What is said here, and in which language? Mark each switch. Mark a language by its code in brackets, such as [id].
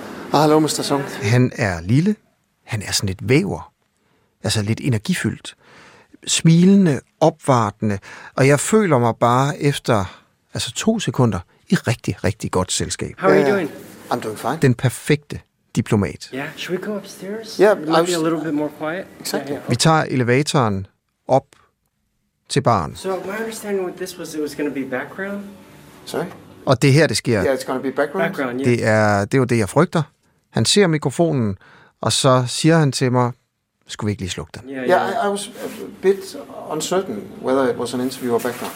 [da] Hallo, Mr. Sung. Han er lille. Han er sådan lidt væver. Altså lidt energifyldt. Smilende, opvartende. Og jeg føler mig bare efter altså 2 sekunder, i rigtig, rigtig godt selskab. [en] How are you doing? I'm doing fine. [da] Den perfekte diplomat. [en] Yeah, should we go upstairs? Yeah, maybe a little bit more quiet. Exactly. Yeah, [da] okay. Vi tager elevatoren op til baren. [en] So my understanding with this was it was going to be background. Sorry? [da] Og det her, det sker. [en] Yeah, it's going to be background. Background, yeah. [da] Det er jo det, jeg frygter. Han ser mikrofonen, og så siger han til mig, skulle vi ikke lige slukke den? [en] Yeah, I was a bit uncertain whether it was an interview or background.